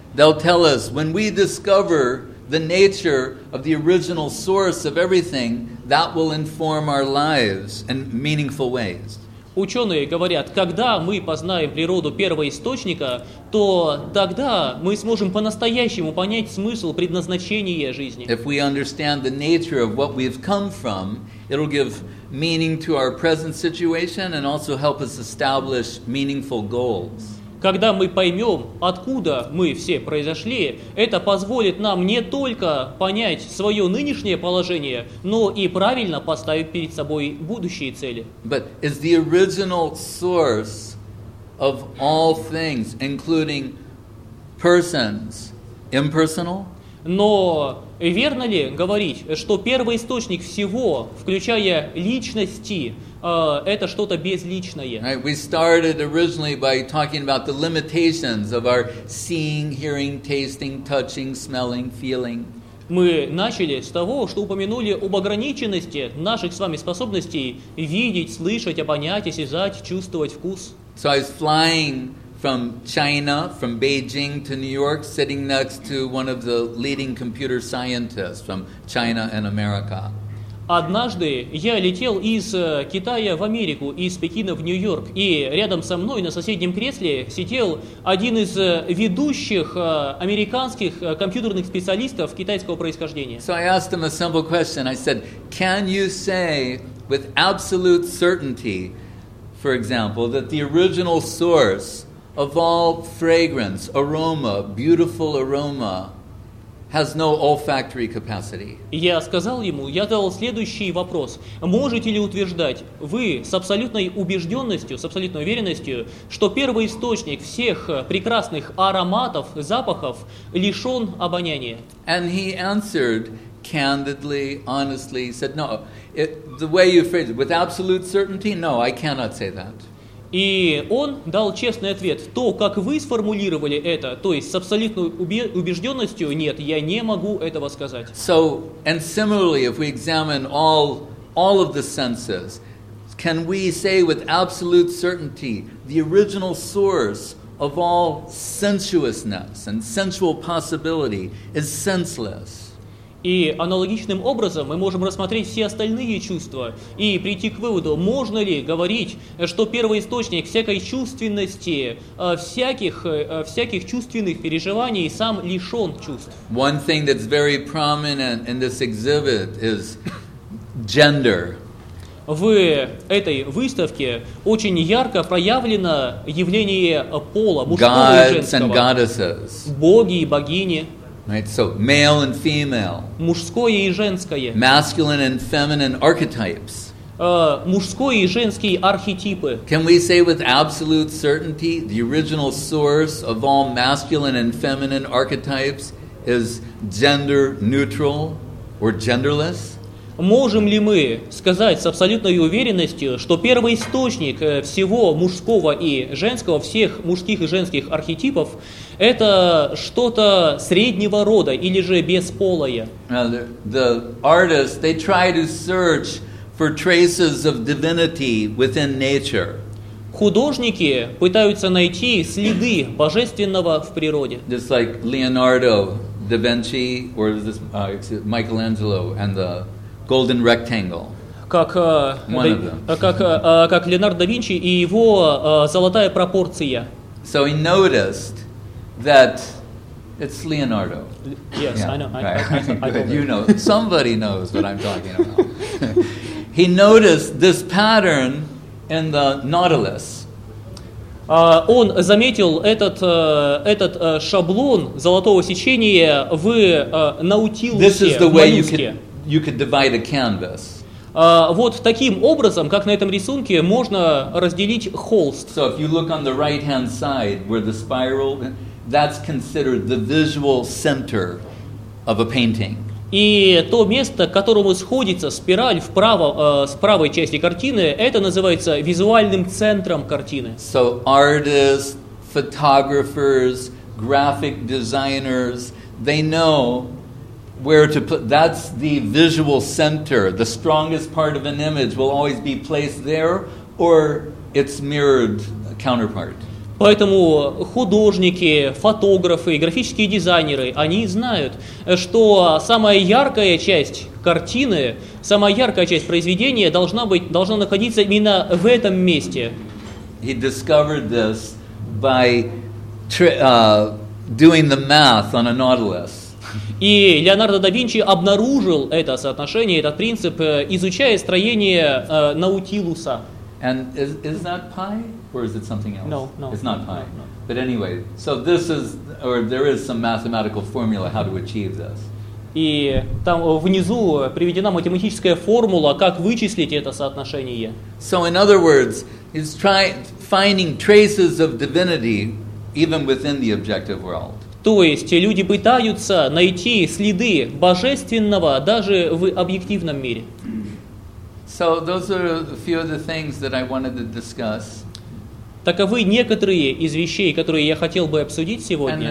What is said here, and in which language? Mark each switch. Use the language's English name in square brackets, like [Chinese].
[English] They'll tell us, when we discover the nature of the original source of everything, that will inform our lives in meaningful ways. [Russian] Ученые говорят, когда мы познаем природу первоисточника, то тогда мы сможем по-настоящему понять смысл предназначения жизни. [English] If we understand the nature of what we've come from, it'll give meaning to our present situation and also help us establish meaningful goals. [Russian] Когда мы поймем, откуда мы все произошли, это позволит нам не только понять свое нынешнее положение, но и правильно поставить перед собой будущие цели. [English] But is the original source of all things, including persons, impersonal? [Russian] Но верно ли говорить, что первоисточник всего, включая личности, это что-то безличное? [English] Right. We started originally by talking about the limitations of our seeing, hearing, tasting, touching, smelling, feeling. [Russian] Мы начали с того, что упомянули об ограниченности наших с вами способностей видеть, слышать, обонять, осязать, чувствовать вкус. [English] So I was flying from China, from Beijing to New York, sitting next to one of the leading computer scientists from China and America. [Russian] Однажды я летел из Китая в Америку, из Пекина в Нью-Йорк, и рядом со мной на соседнем кресле сидел один из ведущих американских компьютерных специалистов китайского происхождения. [English] So I asked him a simple question. I said, can you say with absolute certainty, for example, that the original source of all fragrance, aroma, beautiful aroma, has no olfactory capacity? [Russian] Я сказал ему, я задал следующий вопрос. Можете ли утверждать вы с абсолютной убежденностью, с абсолютной уверенностью, что первоисточник всех прекрасных ароматов, запахов лишен обоняния? [English] And he answered candidly, honestly, said, no, it, the way you phrase it, with absolute certainty, no, I cannot say that. [Russian] И он дал честный ответ. То, как вы сформулировали это, то есть с абсолютной убежденностью, нет, я не могу этого сказать. [English] So, and similarly, if we examine all of the senses, can we say with absolute certainty the original source of all sensuousness and sensual possibility is senseless? [Russian] И аналогичным образом мы можем рассмотреть все остальные чувства и прийти к выводу, можно ли говорить, что первоисточник всякой чувственности, всяких чувственных переживаний сам лишен чувств. [English] One thing that's very prominent in this exhibit is gender. [Russian] В этой выставке очень ярко проявлено явление пола, мужского и женского. [English] Gods and goddesses. [Russian] Боги и богини. [English] Right, so male and female. [Russian] Мужское и женское. [English] Masculine and feminine archetypes. [Russian] Мужской и женский архетипы. [English] Can we say with absolute certainty the original source of all masculine and feminine archetypes is gender neutral or genderless? [Russian] Можем ли мы сказать с абсолютной уверенностью, что первоисточник всего мужского и женского, всех мужских и женских архетипов, это что-то среднего рода или же бесполое? [English] The artists, they try to search for traces of divinity within nature. [Russian] Художники пытаются найти следы божественного в природе. [English] Just like Leonardo da Vinci, or is this Michelangelo and the Golden rectangle. [Russian] Как Леонардо да Винчи и его золотая пропорция. [English] So he noticed that it's Leonardo. Yes, yeah, I know. I know. You know. Somebody knows what I'm talking about. He noticed this pattern in the Nautilus. [Russian] Он заметил этот шаблон золотого сечения в Наутилусе. [English] This is the way you could divide a canvas. [Russian] Вот таким образом, как на этом рисунке, можно разделить холст. [English] So if you look on the right-hand side, where the spiral, that's considered the visual center of a painting. [Russian] И то место, к которому сходится спираль вправо, с правой части картины, это называется визуальным центром картины. [English] So artists, photographers, graphic designers, they know where to put, that's the visual center. The strongest part of an image will always be placed there, or its mirrored counterpart. [Russian] Поэтому художники, фотографы, графические дизайнеры, они знают, что самая яркая часть картины, самая яркая часть произведения должна быть, должна находиться именно в этом месте. [English] He discovered this by doing the math on a nautilus. [Russian] И Леонардо да Винчи обнаружил это соотношение, этот принцип, изучая строение наутилуса. [English] And is that pi? Or is it something else? No. It's not pi. No. But anyway, so this is, or there is some mathematical formula how to achieve this. [Russian] И там внизу приведена математическая формула, как вычислить это соотношение. [English] So in other words, it's finding traces of divinity even within the objective world. [Russian] То есть люди пытаются найти следы божественного даже в объективном мире. [English] So those are a few of the things that I wanted to discuss. [Russian] Таковы некоторые из вещей, которые я хотел бы обсудить сегодня.